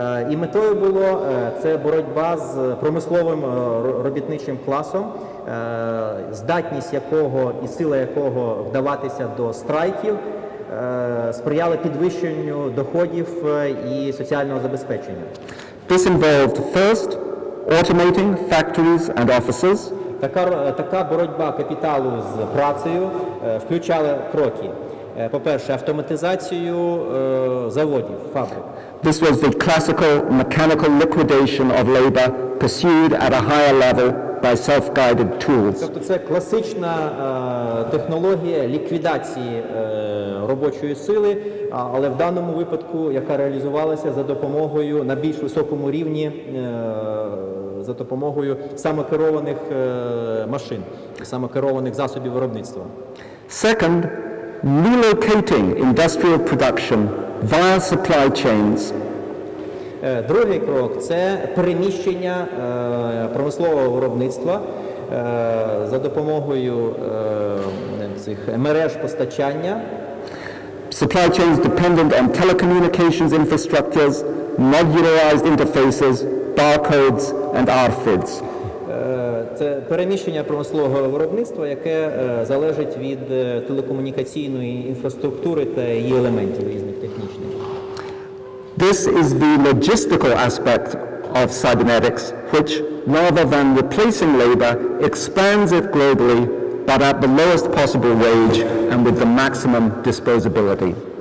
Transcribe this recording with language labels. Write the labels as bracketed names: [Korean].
[Ukrainian] І метою було це боротьба з промисловим робітничим класом, здатність якого і сила якого вдаватися до страйків сприяли підвищенню доходів і соціального забезпечення. [English] This involved first automating factories and offices. [Ukrainian] Така боротьба капіталу з працею включала кроки. По-перше, автоматизацію заводів, фабрик. [English] This was the classical mechanical liquidation of labor pursued at a higher level by self-guided tools. [Ukrainian] Тобто це класична технологія ліквідації робочої сили, але в даному випадку, яка реалізувалася за допомогою на більш високому рівні, за допомогою самокерованих машин, самокерованих засобів виробництва. [English] Second, relocating industrial production via supply chains. [Ukrainian] Другий крок – це переміщення промислового виробництва за допомогою цих мереж постачання. [English] Supply chains dependent on telecommunications infrastructures, modularized interfaces, barcodes and RFIDs. [Ukrainian] Це переміщення промислового виробництва, яке залежить від телекомунікаційної інфраструктури та її елементів різних технічних. [English] This is the logistical aspect of cybernetics, which, rather than replacing labor, expands it globally, but at the lowest possible wage and with the maximum disposability.